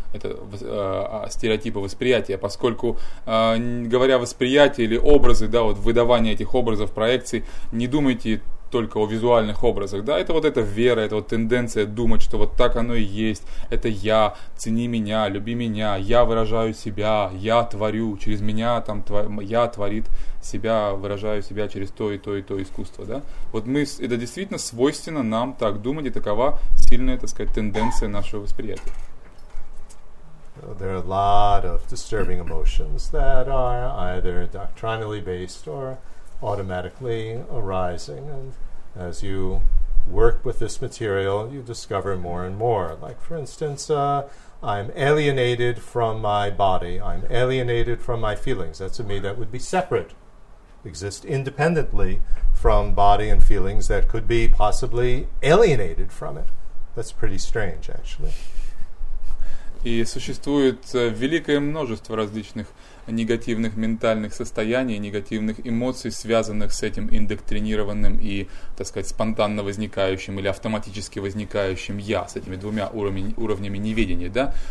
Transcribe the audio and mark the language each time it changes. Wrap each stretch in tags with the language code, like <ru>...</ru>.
<ru>Это стереотипы восприятия, поскольку, говоря восприятие или образы, да, вот выдавание этих образов, проекций, не думайте только о визуальных образах, да, это вот эта вера, это вот тенденция думать, что вот так оно и есть, это я, цени меня, люби меня, я выражаю себя, я творю, через меня там я творит себя, выражаю себя через то и то и то искусство, да, вот мы, это действительно свойственно нам так думать, и такова сильная, так сказать, тенденция нашего восприятия.</ru> <en>There are a lot of disturbing emotions that are either doctrinally based or automatically arising, and as you work with this material, you discover more and more. Like, for instance, I'm alienated from my body, I'm alienated from my feelings. That's a me that would be separate, exist independently from body and feelings that could be possibly alienated from it. That's pretty strange, actually.</en> <ru>И существует великое множество различных негативных ментальных состояний, негативных эмоций, связанных с этим индоктринированным и, так сказать, спонтанно возникающим или автоматически возникающим «я», с этими двумя уровнями неведения, да?</ru>